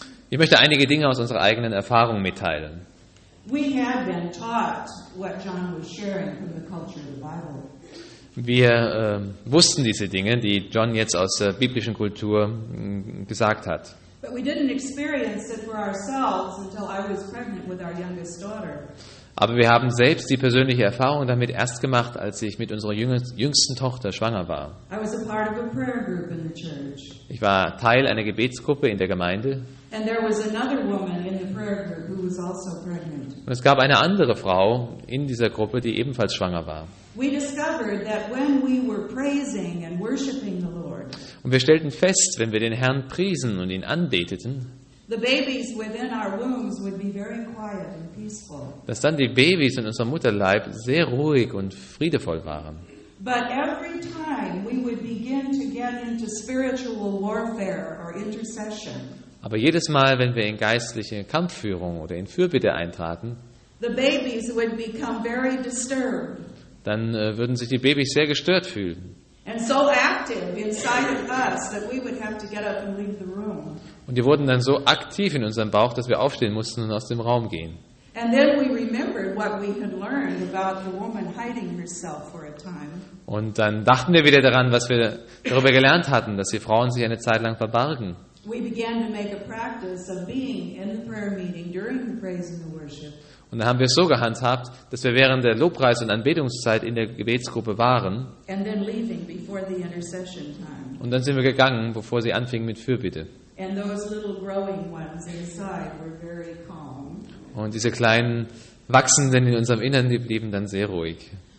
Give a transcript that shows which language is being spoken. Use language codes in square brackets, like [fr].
[de] Ich möchte einige Dinge aus unserer eigenen Erfahrung mitteilen. Wir wussten diese Dinge, die John jetzt aus der biblischen Kultur gesagt hat. [en] But we didn't experience it for ourselves until I was pregnant with our youngest daughter. [de] Aber wir haben selbst die persönliche Erfahrung damit erst gemacht, als ich mit unserer jüngsten Tochter schwanger war. [en] I was a part of a prayer group in the church. [de] Ich war Teil einer Gebetsgruppe in der Gemeinde. [en] And there was another woman in the prayer group who was also pregnant. [de] Und es gab eine andere Frau in dieser Gruppe, die ebenfalls schwanger war. [en] We discovered that when we were praising and worshiping the Lord. [de] Und wir stellten fest, wenn wir den Herrn priesen und ihn anbeteten, dass dann die Babys in unserem Mutterleib sehr ruhig und friedevoll waren. [en] But every time we would begin to get into spiritual warfare or intercession, [de] aber jedes Mal, wenn wir in geistliche Kampfführung oder in Fürbitte eintraten, [en] the babies would become very disturbed. [de] Dann würden sich die Babys sehr gestört fühlen. [en] And so active inside of us that we would have to get up and leave the room. [de] Und die wurden dann so aktiv in unserem Bauch, dass wir aufstehen mussten und aus dem Raum gehen. [en] And then we remembered what we had learned about the woman hiding herself for a time. [de] Und dann dachten wir wieder daran, was wir darüber gelernt hatten, dass die Frauen sich eine Zeit lang verbargen. [en] We began to make a practice of being in the prayer meeting during the praise and the worship. [de] Und dann haben wir es so gehandhabt, dass wir während der Lobpreis- und Anbetungszeit in der Gebetsgruppe waren. [en] And then leaving before the intercession time. [de] Und dann sind wir gegangen, bevor sie anfingen mit Fürbitte. [en] And those little growing ones inside were very calm. [de] Und diese kleinen Wachsenden in unserem Inneren, die blieben dann sehr ruhig.